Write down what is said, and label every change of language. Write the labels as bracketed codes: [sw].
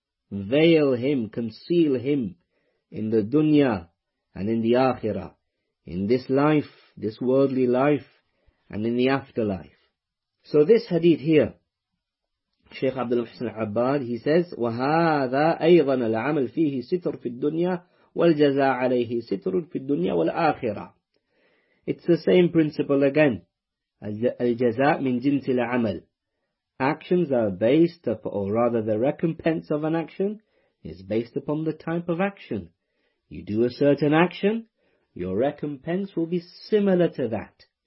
[en] then Allah shall conceal him in the dunya and in the akhirah, in this life, this worldly life, and in the afterlife. So this hadith here, Shaykh Abdul Muhsin al-Abbad, he says, [ar] وَهَذَا أَيْضًا الْعَمَلْ فِيهِ سِتْرٌ فِي الدُّنْيَا وَالْجَزَى عَلَيْهِ سِتْرٌ فِي الدُّنْيَا وَالْآخِرَةِ. [en] It's the same principle again. [ar] الجزاء من جنس العمل. [en] Actions are based upon, or rather the recompense of an action is based upon the type of action. You do a certain action, your recompense will be similar to that.